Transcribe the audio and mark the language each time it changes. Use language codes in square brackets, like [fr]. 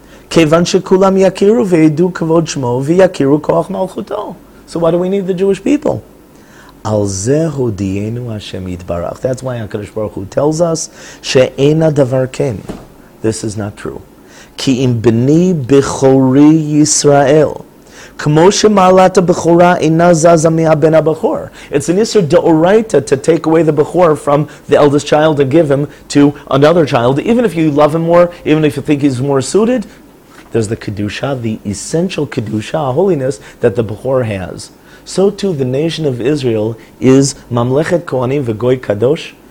[he] כיוון שכולם יכירו וידעו כבוד שמו ויכירו כוח מלכותו. [en] So why do we need the Jewish people? [he] על זה הודיענו השם יתברך. [en] That's why HaKadosh Baruch Hu tells us [he] שאין הדבר כן. [en] This is not true. [he] כי אם בני בכורי ישראל, כמו שמעלת הבכורה אינה זזה מהבן הבכור. [en] It's an issue d'oraita to take away the bechor from the eldest child and give him to another child. Even if you love him more, even if you think he's more suited, there's the Kedusha, the essential Kedusha, holiness, that the Bechor has. So too, the nation of Israel is Mamlechet Kohanim V'Goy Kadosh.